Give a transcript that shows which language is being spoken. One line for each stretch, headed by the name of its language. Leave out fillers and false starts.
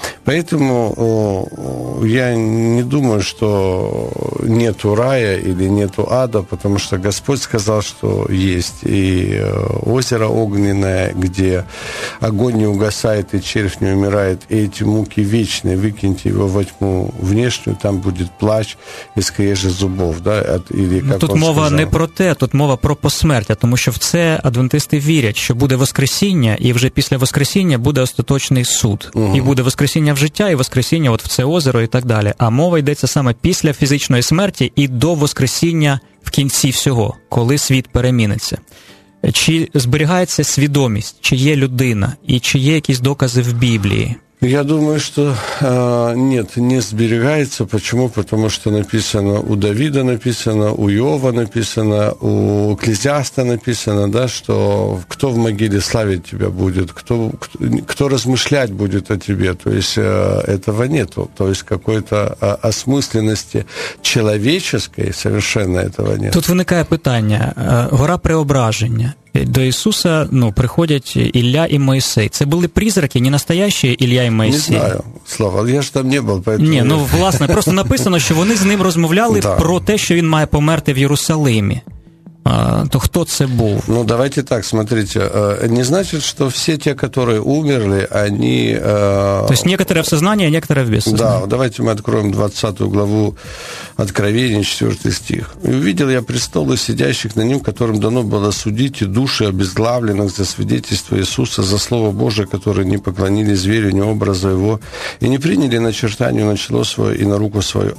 Russian: Поэтому я не думаю, что нету рая или нету ада, потому что Господь сказал, что есть и озеро огненное, где огонь не угасает и червь не умирает, и эти муки вечные, выкиньте его во тьму внешнюю, там будет плач и скрежет зубов. Да, или, как
Ukrainian: тут мова сказав, не про те, тут мова про посмертя, тому що в це адвентисти вірять, що буде воскресіння, і вже після воскресіння буде остаточний суд. Угу. І буде воскресіння в життя, і воскресіння от в це озеро і так далі. А мова йдеться саме після фізичної смерті і до воскресіння в кінці всього, коли світ переміниться. Чи зберігається свідомість, чи є людина, і чи є якісь докази в Біблії?
Russian: Я думаю, что нет, не сберегается. Почему? Потому что написано, у Давида написано, у Иова написано, у Экклезиаста написано, да, что кто в могиле славить тебя будет, кто размышлять будет о тебе. То есть этого нету. То есть какой-то осмысленности человеческой совершенно этого нет.
Ukrainian: Тут виникає питання. Гора Преображення. До Ісуса, ну, приходять Ілля і Мойсей. Це були призраки, не настоящі Ілля і Мойсей? Не знаю, Слава, я ж там не був.
Russian: Поэтому...
Ukrainian: Ні, ну, власне, просто написано, що вони з ним розмовляли про те, що він має померти в Єрусалимі.
Russian: То кто это был? Ну, давайте так, смотрите. Не значит, что все те, которые умерли, они... То есть некоторые в сознании, а некоторые в бессознании. Да, давайте мы откроем 20 главу Откровения, 4 стих. «Увидел я престолы, сидящих на нем, которым дано было судить и души обезглавленных за свидетельство Иисуса, за Слово Божие, которые не поклонили зверю, ни образа его, и не приняли начертанию на чело свое и на руку свою.